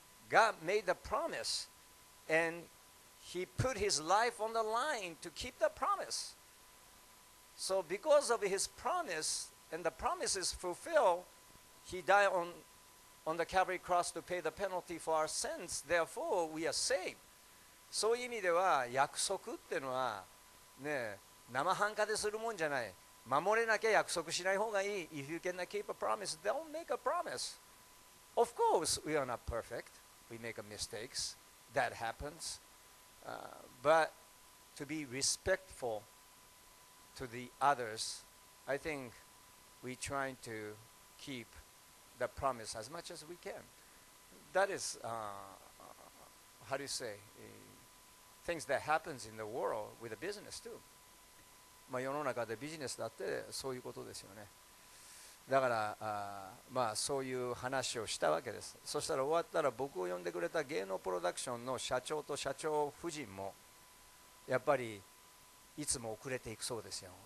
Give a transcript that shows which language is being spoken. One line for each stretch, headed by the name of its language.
English: God made the promise and he put his life on the line to keep the promise. So because of his promise and the promises fulfilled, he died on the Calvary cross to pay the penalty for our sins, therefore we are saved.
Japanese: そういう意味では約束っていうのは、ね、生半可でするもんじゃない。守れなきゃ約束しない方がいい。
English: If you cannot keep a promise, don't make a promise. Of course, we are not perfect. We make mistakes. That happens. But to be respectful to the others, I think we're trying to keep the promise as much as we can. That is, how do you say, things that happens in the world with the business too.
Japanese: まあ、世の中でビジネスだってそういうことですよね。だから、まあ、そういう話をしたわけです。そしたら終わったら、僕を呼んでくれた芸能プロダクションの社長と社長夫人もやっぱりいつも遅れていくそうですよ。